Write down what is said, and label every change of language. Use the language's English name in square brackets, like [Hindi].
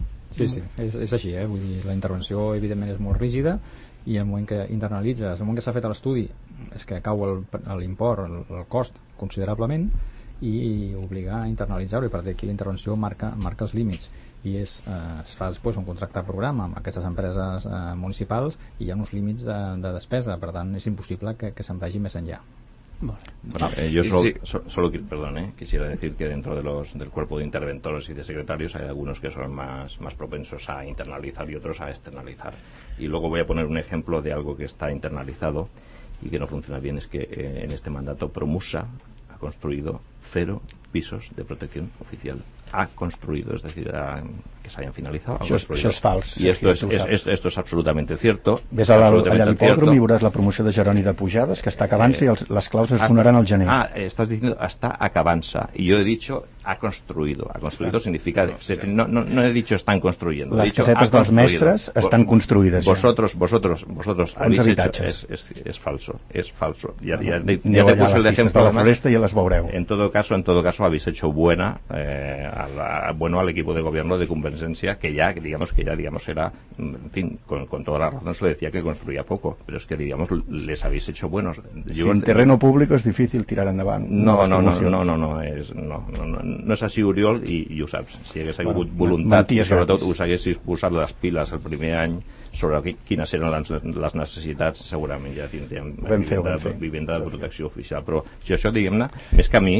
[Catalan] Sí, sí, és així, Vull dir, la intervenció evidentment és molt rígida, i el moment que internalitzes, el moment que s'ha fet l'estudi, és que cau l'import, el cost, considerablement, i obligar a internalitzar-ho, i per dir que la intervenció marca els límits. I es fa després un contracte programa amb aquestes empreses municipals i hi ha uns límits de despesa, per tant és impossible que se'n vagi més enllà. [Spanish] Bueno, yo solo quisiera decir que dentro de los del cuerpo de interventores y de secretarios hay algunos que son más propensos a internalizar y otros a externalizar. Y luego voy a poner un ejemplo de algo que está internalizado y que no funciona bien, es que en este mandato Promusa ha construido 0 pisos de protección oficial. Ha construido, es decir, que se hayan finalizado. Eso es falso. Y esto es absolutamente cierto. [Catalan] Ves a l'hipòdrom i veuràs la promoció de Jeroni de Pujades, que està acabant-se i les claus es donaran al gener. Estàs dient està acabant-se. I jo he dit [Spanish] ha construido. Ha construido significa... No he dicho están construyendo. [Catalan] Les casetes dels mestres estan construïdes. [Spanish] Vosotros... [Catalan] Els habitatges. És falso. És falso. [Spanish] Ja te puse el ejemplo. [Catalan] A la floresta ja les veureu. [Spanish] En todo caso, habéis hecho buena... al equipo de gobierno de Convergencia, que ya era, en fin, con toda la razón se le decía que construía poco, pero es que digamos les habéis hecho buenos. Sin terreno público es difícil tirar endavant. [Catalan] No és així, Oriol, i ho saps. Si hagués hagut voluntat, sobretot us haguessis posat les piles el primer any sobre quines eren les necessitats, segurament ja tindríem vivenda de protecció oficial. Però si això, diguem-ne, més que a mi...